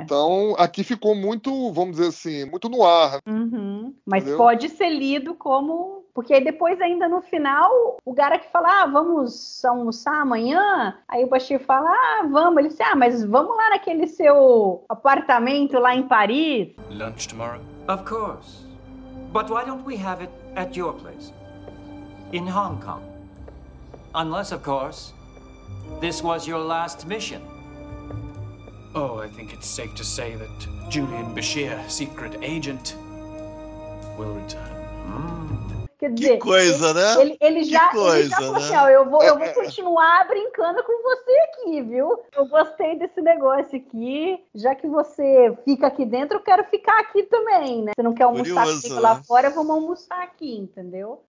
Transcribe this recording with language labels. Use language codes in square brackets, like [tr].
[pt] Então, aqui ficou muito, vamos dizer assim, muito no ar. Uhum. Mas entendeu? Pode ser lido como... Porque aí depois, ainda no final, o cara que fala, ah, vamos almoçar amanhã? Aí o Bashir fala, ah, vamos. Ele disse, ah, mas vamos lá naquele seu apartamento lá em Paris. [en] Lunch tomorrow? Of course. But why don't we have it at your place? In Hong Kong. Unless, of course, this was your last mission. Oh, I think it's safe to say that Julian Bashir, secret agent, will return. [pt] Quer dizer, que coisa, né? Ele já falou assim, ó, eu vou continuar brincando com você aqui, viu? Eu gostei desse negócio aqui. Já que você fica aqui dentro, eu quero ficar aqui também, né? Você não quer almoçar curioso, aqui lá fora, vamos almoçar aqui, entendeu?